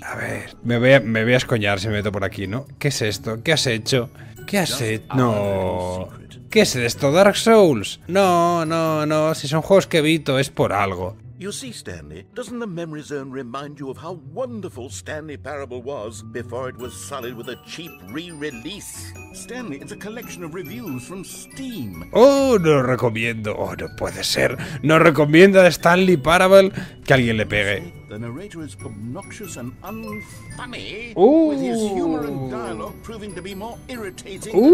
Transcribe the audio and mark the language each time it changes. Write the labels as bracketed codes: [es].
[es] A ver, me voy a escoñar si me meto por aquí, ¿no? ¿Qué es esto? ¿Qué has hecho? ¿Qué has hecho? No. ¿Qué es esto? ¿Dark Souls? No, no, no. Si son juegos que evito, es por algo. [en] You see, Stanley, doesn't the memory zone remind you of how wonderful Stanley Parable was before it was sullied with a cheap re-release? Stanley, it's a collection of reviews from Steam. [es] Oh, no lo recomiendo. Oh, no puede ser. No recomienda Stanley Parable que alguien le pegue. [en] The narrator is obnoxious and unfunny, with his humor and dialogue proving to be more irritating.